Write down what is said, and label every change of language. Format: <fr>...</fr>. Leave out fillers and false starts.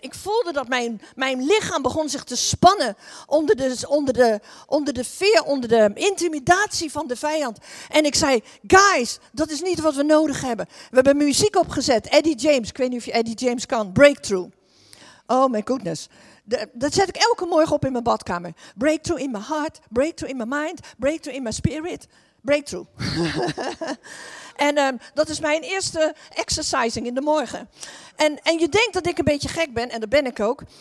<nl>Ik voelde dat mijn lichaam begon zich te spannen onder de veer, onder de intimidatie van de vijand. En ik zei, guys, dat is niet wat we nodig hebben. We hebben muziek opgezet, Eddie James. Ik weet niet of je Eddie James kan, Breakthrough.</nl> <en>Oh my goodness.</en> <nl>Dat zet ik elke morgen op in mijn badkamer.</nl> <en>Breakthrough in my heart, breakthrough in my mind, breakthrough in my spirit. Breakthrough.</en> <nl>dat is mijn eerste exercising in de morgen. En je denkt dat ik een beetje gek ben. En dat ben ik ook.</nl>